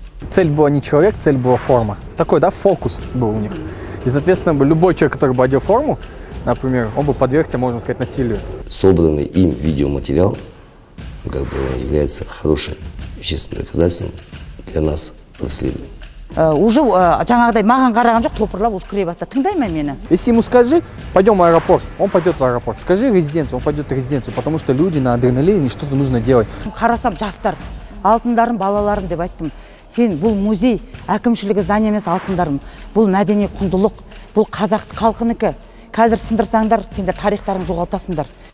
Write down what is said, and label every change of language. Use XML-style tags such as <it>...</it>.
<ru>Цель была не человек, цель была форма. Такой, да, фокус был у них. И, соответственно, любой человек, который бы одел форму, например, он бы подвергся, можно сказать, насилию. Собранный им видеоматериал как бы является хорошим вещественным доказательством для нас расследования.</ru> <kk>Уже жаңағыдай маған қараған жоқ, топырлап уж кіре бастады. Тыңдайма мені.</kk> <ru>Если ему скажи, пойдем в аэропорт, он пойдет в аэропорт. Скажи резиденцию, он пойдет в резиденцию, потому что люди на адреналине, что-то нужно делать.</ru> <kk>Қарасам жастар, алтындарым, балаларым деп айттым. Сен бұл музей, әкімшілігі здание емес алтындарым, бұл мәдени құндылық, бұл қазақ халқыныкі. Қазір сындырсаңдар, сендер тарихтарын жоғалтасыңдар.</kk>